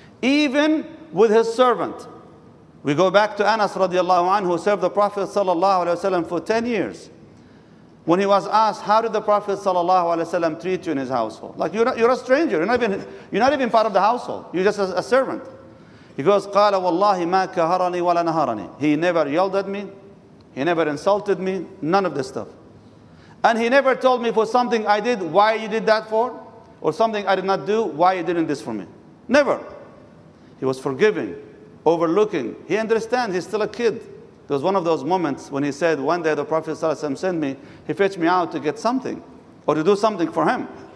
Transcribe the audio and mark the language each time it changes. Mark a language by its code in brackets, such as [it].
[en] Even with his servant. We go back to Anas radiallahu anhu, who served the Prophet sallallahu alayhi wasallam for 10 years. When he was asked, how did the Prophet sallallahu alayhi wasallam treat you in his household? Like, you're a stranger. You're not even part of the household. You're just a servant. He goes, [ar] قَالَ وَاللَّهِ مَا كَهَرَنِي وَلَا نَهَرَنِي. [en] He never yelled at me. He never insulted me. None of this stuff. And he never told me for something I did, why you did that for, or something I did not do, why you didn't this for me. Never. He was forgiving, overlooking. He understands, he's still a kid. There was one of those moments when he said, one day the Prophet ﷺ sent me, he fetched me out to get something, or to do something for him.